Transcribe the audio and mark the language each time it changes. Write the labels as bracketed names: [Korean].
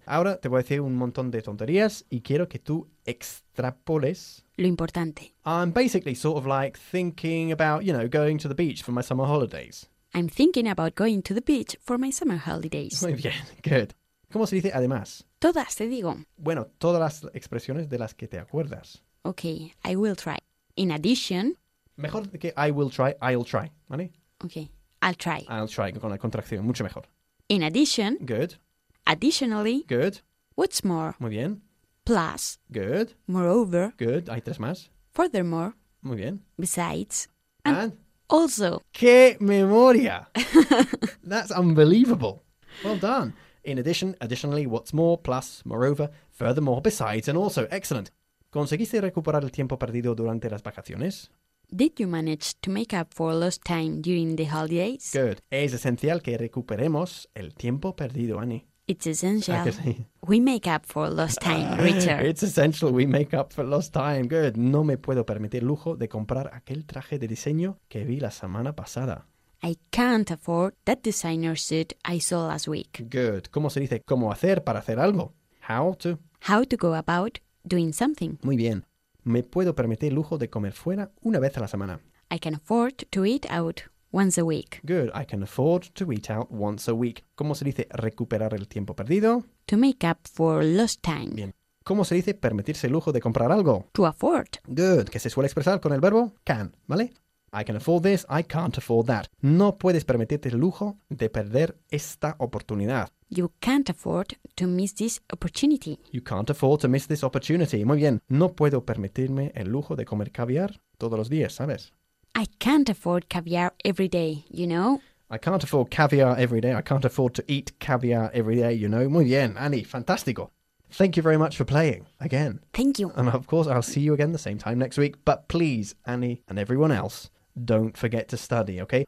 [Spanish] Ahora te voy a decir un montón de tonterías y quiero que tú extrapoles. Lo importante. [English] I'm basically sort of like thinking about, you know, going to the beach for my summer holidays. I'm thinking about going to the beach for my summer holidays. [Spanish] Muy bien, good. ¿Cómo se dice además? Todas, te digo. Bueno, todas las expresiones de las que te acuerdas. [English] Okay, I will try. In addition... [Spanish] Mejor que [English] I will try, I'll try, [Spanish] ¿vale? [English] Okay, I'll try. I'll try, [Spanish] con la contracción, mucho mejor. [English] In addition... Good. Additionally... Good. What's more... [Spanish] Muy bien. [English] Plus... Good. Moreover... [Spanish] Good, hay tres más. [English] Furthermore... [Spanish] Muy bien. [English] Besides... And... Also... [Spanish] ¡Qué memoria! [English] That's unbelievable. Well done. In addition, additionally, what's more, plus, moreover, furthermore, besides, and also, excellent. [Spanish] ¿Conseguiste recuperar el tiempo perdido durante las vacaciones? [English] Did you manage to make up for lost time during the holidays? Good. [Spanish] Es esencial que recuperemos el tiempo perdido, Annie. [English] It's essential. We make up for lost time, Richard. It's essential we make up for lost time. Good. [Spanish] No me puedo permitir lujo de comprar aquel traje de diseño que vi la semana pasada. [English] I can't afford that designer suit I saw last week. Good. [Spanish] ¿Cómo se dice cómo hacer para hacer algo? [English] How to? How to go about doing something. [Spanish] Muy bien. Me puedo permitir lujo de comer fuera una vez a la semana. [English] I can afford to eat out once a week. Good. I can afford to eat out once a week. [Spanish] ¿Cómo se dice recuperar el tiempo perdido? [English] To make up for lost time. [Spanish] Bien. ¿Cómo se dice permitirse lujo de comprar algo? [English] To afford. Good. [Spanish] Que se suele expresar con el verbo can, ¿vale? [English] I can afford this, I can't afford that. [Spanish] No puedes permitirte el lujo de perder esta oportunidad. [English] You can't afford to miss this opportunity. You can't afford to miss this opportunity. [Spanish] Muy bien. No puedo permitirme el lujo de comer caviar todos los días, ¿sabes? [English] I can't afford caviar every day, you know? I can't afford caviar every day. I can't afford to eat caviar every day, you know? [Spanish] Muy bien, Annie. Fantástico. [English] Thank you very much for playing again. Thank you. And of course, I'll see you again the same time next week. But please, Annie and everyone else, don't forget to study, okay?